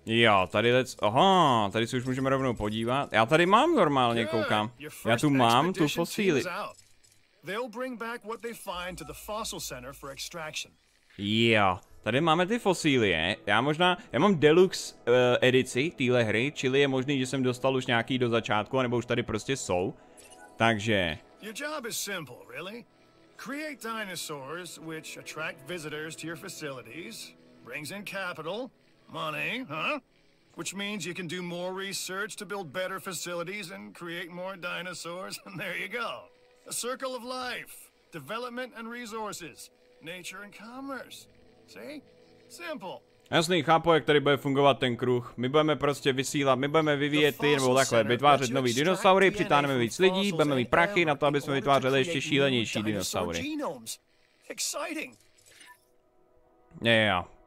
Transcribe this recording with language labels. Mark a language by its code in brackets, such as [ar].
[cs] Jo, tady let's, aha, tady se už můžeme rovnou podívat. Já tady mám normálně, koukám. Já tu mám tu fosíly. [en] They'll bring back what they find to the fossil center for extraction. [cs] Jo, tady máme ty fosílie. Já mám deluxe edici téhle hry, čili je možný, že jsem dostal už nějaký do začátku, nebo už tady prostě jsou. Takže [en] your job is simple, really. Create dinosaurs which attract visitors to your facilities, brings in capital. Money, huh? Which means you can do more research to build better facilities and create more dinosaurs, and there you go. A circle of life, development and resources, nature and commerce. See? Simple. [cs] Jasný, chápu, jak tady bude fungovat ten kruh. My budeme prostě vysílat, my budeme vyvíjet ty, nebo takhle, vytvářet nový dinosaury, přitáhneme víc lidí, budeme mít prachy na to, aby jsme vytvářeli ještě šílenější dinosaury. [en] Exciting. Yeah.